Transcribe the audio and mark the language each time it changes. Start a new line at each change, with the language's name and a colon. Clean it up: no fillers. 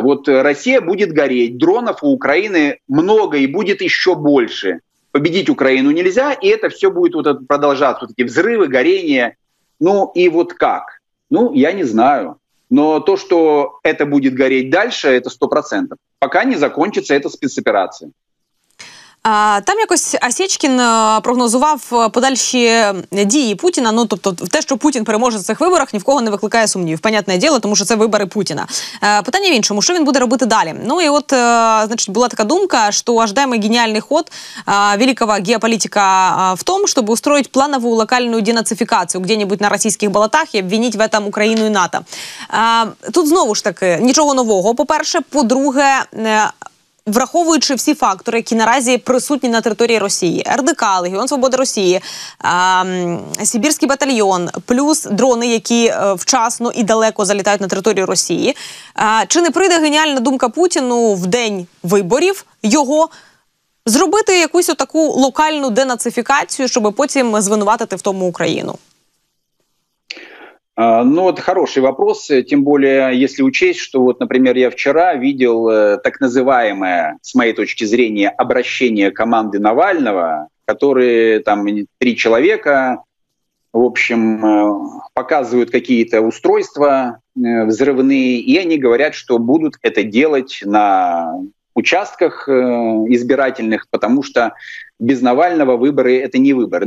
Russian: Вот Россия будет гореть, дронов у Украины много и будет еще больше. Победить Украину нельзя, и это все будет вот продолжаться, вот эти взрывы, горения. Ну и вот как? Ну, я не знаю. Но то, что это будет гореть дальше, это 100%. Пока не закончится эта спецоперация.
Ukrainian: Там якось Осечкін прогнозував подальші дії Путіна. Ну, тобто те, що Путін переможе в цих виборах, ні в кого не викликає сумнівів. Понятне діло, тому що це вибори Путіна. Питання в іншому, що він буде робити далі? Ну, і от, значить, була така думка, що ждемо геніальний ход великого геополітика в тому, щоб устроїти планову локальну денацифікацію где-нибудь на російських болотах і обвинити в цьому Україну і НАТО. Тут знову ж таки, нічого нового, по-перше. По-друге, враховуючи всі фактори, які наразі присутні на території Росії, РДК, Легіон Свободи Росії, Сибірський батальйон, плюс дрони, які вчасно і далеко залітають на територію Росії, чи не прийде геніальна думка Путіну в день виборів його зробити якусь отаку локальну денацифікацію, щоб потім звинуватити в тому Україну?
Russian: Ну, это хороший вопрос, тем более, если учесть, что вот, например, я вчера видел так называемое, с моей точки зрения, обращение команды Навального, которые там три человека, в общем, показывают какие-то устройства взрывные, и они говорят, что будут это делать на участках избирательных, потому что без Навального выборы — это не выборы.